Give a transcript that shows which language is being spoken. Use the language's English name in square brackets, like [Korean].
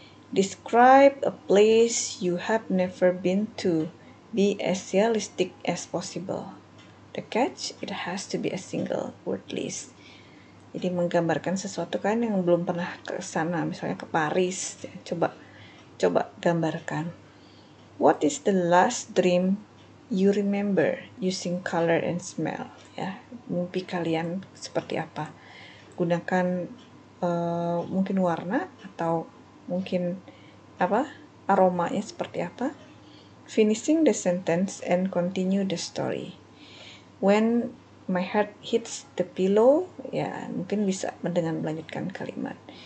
[English] Describe a place you have never been to. Be as realistic as possible. The catch, it has to be a single word list. [Indonesian] Jadi menggambarkan sesuatu kan yang belum pernah ke sana, misalnya ke Paris. Coba coba gambarkan. [English] What is the last dream you remember using color and smell? [Indonesian] Ya, mimpi kalian seperti apa? Gunakan mungkin warna atau mungkin apa? Aromanya seperti apa? [English] Finishing the sentence and continue the story. When my heart hits the pillow, [Indonesian] ya mungkin bisa dengan melanjutkan kalimat.